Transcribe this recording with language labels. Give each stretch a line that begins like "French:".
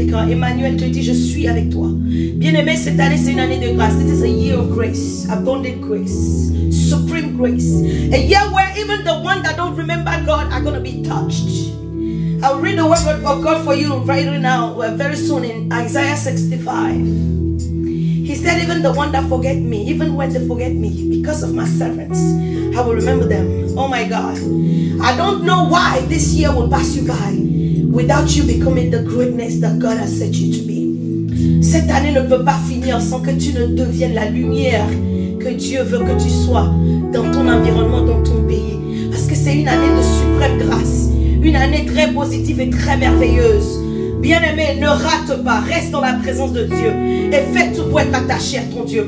French: Emmanuel te dit, je suis avec toi. Bien-aimé, cette année, c'est une année de grâce.
English: It is a year of grace, abundant grace, supreme grace. A year where even the ones that don't remember God are going to be touched. I'll read the word of God for you right now, very soon in Isaiah 65. He said, even the ones that forget me, even when they forget me, because of my servants, I will remember them. Oh my God. I don't know why this year will pass you by without you becoming the greatness that God has set you to be.
French: Cette année ne peut pas finir sans que tu ne deviennes la lumière que Dieu veut que tu sois dans ton environnement, dans ton pays. Parce que c'est une année de suprême grâce, une année très positive et très merveilleuse. Bien-aimé, ne rate pas, reste dans la présence de Dieu et fais tout pour être attaché à ton Dieu.